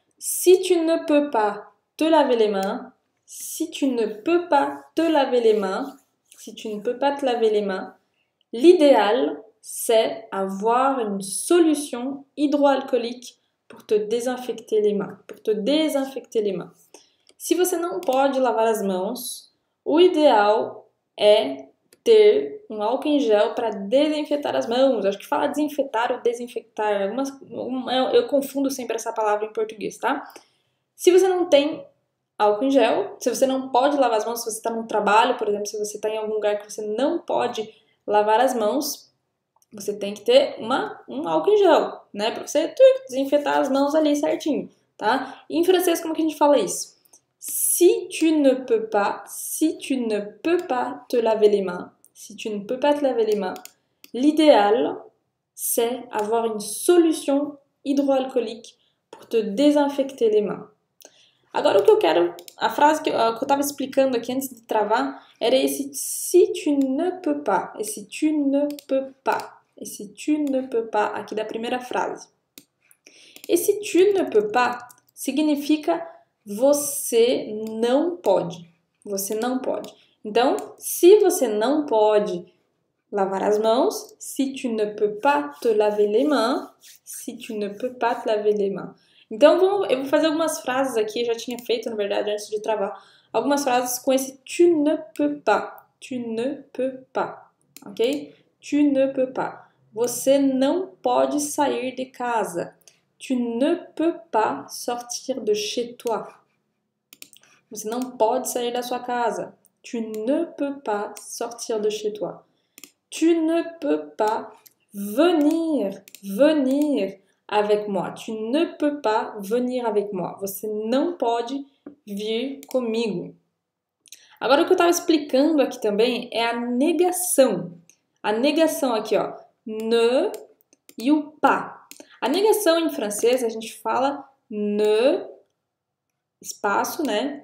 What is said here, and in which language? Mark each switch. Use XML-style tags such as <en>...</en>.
<fr>Si tu ne peux pas te laver les mains, si tu ne peux pas te laver les mains, si tu ne peux pas te laver les mains, l'idéal, c'est avoir une solution hydroalcoolique pour te désinfecter les mains, pour te désinfecter les mains.</fr> <pt>Si você não pode lavar as mãos, o ideal é ter um álcool em gel para desinfetar as mãos. Acho que fala desinfetar ou desinfectar, eu confundo sempre essa palavra em português, tá? Se você não tem álcool em gel, se você não pode lavar as mãos, se você está no trabalho, por exemplo, se você está em algum lugar que você não pode lavar as mãos, você tem que ter um álcool em gel, né? Para você desinfetar as mãos ali certinho, tá? E em francês, como que a gente fala isso?</pt> <fr>Si tu ne peux pas, si tu ne peux pas te laver les mains, si tu ne peux pas te laver les mains, l'idéal, c'est avoir une solution hydroalcoolique pour te désinfecter les mains.</fr> <pt>Agora, o que eu quero, a frase que eu estava explicando aqui antes de travar, era esse</pt> <fr>si tu ne peux pas,</fr> <pt>esse</pt> <fr>tu ne peux pas,</fr> <pt>esse tu ne peux pas, aqui da primeira frase. Esse</pt> <fr>tu ne peux pas</fr> <pt>significa você não pode. Você não pode. Então, se você não pode lavar as mãos,</pt> <fr>si tu ne peux pas te laver les mains, si tu ne peux pas te laver les mains.</fr> <pt>Então, eu vou fazer algumas frases aqui, eu já tinha feito, na verdade, antes de travar, algumas frases com esse</pt> <fr>tu ne peux pas. Tu ne peux pas. Ok? Tu ne peux pas.</fr> <pt>Você não pode sair de casa.</pt> <fr>Tu ne peux pas sortir de chez toi.</fr> <pt>Você não pode sair da sua casa.</pt> <fr>Tu ne peux pas sortir de chez toi. Tu ne peux pas venir avec moi. Tu ne peux pas venir avec moi.</fr> <pt>Você não pode vir comigo. Agora, o que eu estava explicando aqui também é a negação. A negação aqui, ó. Ne e o pas. A negação em francês, a gente fala ne, espaço, né?</pt>